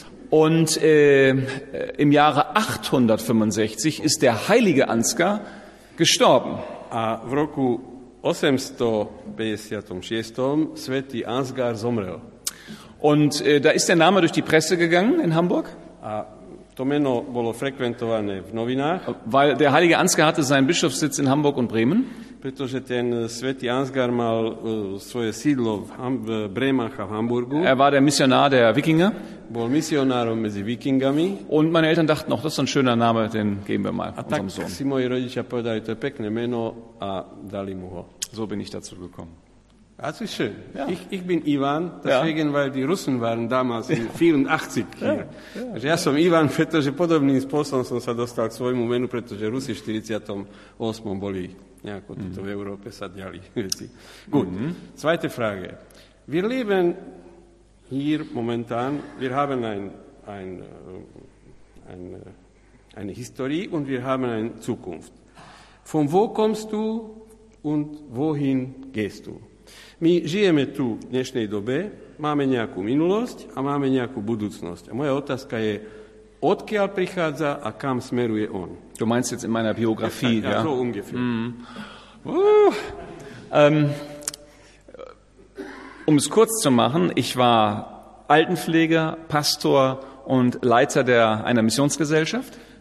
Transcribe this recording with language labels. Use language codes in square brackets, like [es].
[de] Und im Jahre 865 ist der heilige Ansgar gestorben. [sk] A v roku 856 svätý Ansgar zomrel. [de] Und da ist der Name durch die Presse gegangen in Hamburg. [sk] A to meno bolo frekventované v novinách. [de] Weil der heilige Ansgar hatte seinen Bischofssitz in Hamburg und Bremen. [sk] Pretože ten svätý Ansgar mal svoje sídlo v Brémach a v Hamburgu. [de] Er war der Missionar der Wikinger. [sk] Bol misionárom medzi Vikingami. [de] Und meine Eltern dachten noch, das ist ein schöner Name, den geben wir mal [sk] a [de] unserem Sohn. [sk] A tak si moji rodičia povedali, to je pekné meno a dali mu ho. [de] So bin ich dazu gekommen. Das ist schön. Ja. Ich bin Ivan, deswegen, ja. Weil die Russen waren damals in 84 hier. [sk] Ja som Ivan, pretože podobným spôsobom som sa dostal k svojmu menu, pretože Rusi v 48. boli nejako tuto v Európe sa diali veci. [de] Gut. [sk] Mm-hmm. [de] Zweite Frage. Wir leben hier momentan, wir haben eine Historie und wir haben eine Zukunft. Von wo kommst du und wohin gehst du? [sk] My žijeme tu v dnešnej dobe, máme nejakú minulosť a máme nejakú budúcnosť. A moja otázka je, odkiaľ prichádza a kam smeruje on? [de] Du meinst jetzt in meiner Biografie, ja? Ja, so ungefähr. Mm. Um es kurz zu machen, ich war Altenpfleger, Pastor und Leiter einer Missionsgesellschaft.